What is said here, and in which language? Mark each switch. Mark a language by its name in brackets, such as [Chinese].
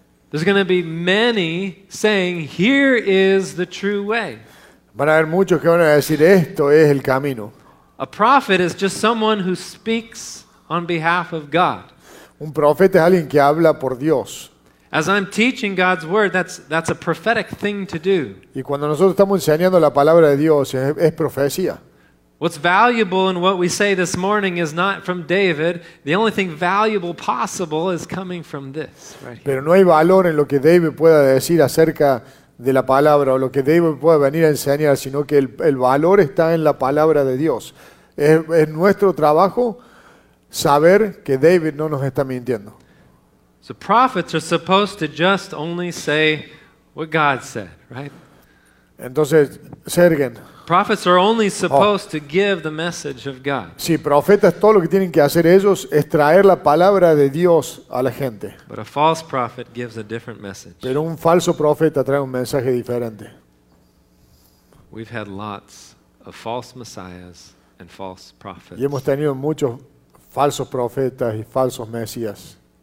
[English] There's going to be many saying, here is the true way. [Spanish] Van a haber muchos que van a decir, esto es el camino. [English] A prophet is just someone who speaks on behalf of God. [Spanish] Un profeta es alguien que habla por Dios. [English] As I'm teaching God's word, that's a prophetic thing to do. [Spanish] Y cuando nosotros estamos enseñando la palabra de Dios, es profecía. [English] What's valuable in what we say this morning is not from David. The only thing valuable possible is coming from this right here. [Spanish] Pero no hay valor en lo que David pueda decir acerca de la palabra o lo que David pueda venir a enseñar, sino que el valor está en la palabra de Dios. Es nuestro trabajo saber que David no nos está mintiendo. [English] So prophets are supposed to just only say what God said, right? [Spanish] Entonces, Sergen. [English] Prophets are only supposed to give the message of God. [Spanish] Sí, profetas, todo lo que tienen que hacer ellos es traer la palabra de Dios a la gente. [English] But a false prophet gives a different message. [Spanish] Pero un falso profeta trae un mensaje diferente. [English] We've had lots of false messiahs and false prophets. [Spanish] Y hemos tenido muchos falsos profetas y falsos mesías.